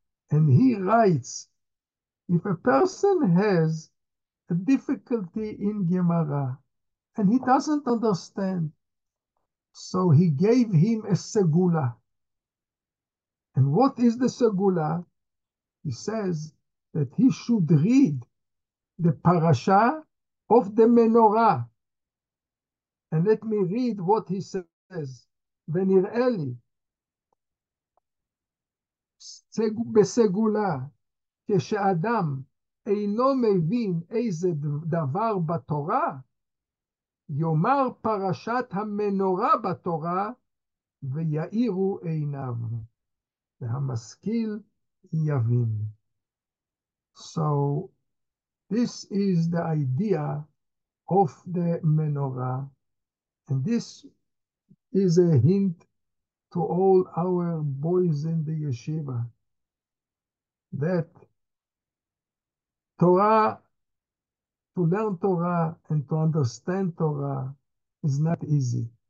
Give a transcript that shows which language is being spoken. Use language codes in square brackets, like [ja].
[en] And he writes, if a person has a difficulty in Gemara and he doesn't understand, so he gave him a segula. And what is the segula? He says that he should read the parasha of the menorah. And let me read what he says. [he] Venireli, besegula, כשאדם אינו מבין איזה דבר בתורה, יאמר פרשת המנורה בתורה, ויאירו עיניו. והמשכיל יבין. [en] So, this is the idea of the menorah, and this is a hint to all our boys in the yeshiva, that Torah, to learn Torah and to understand Torah is not easy.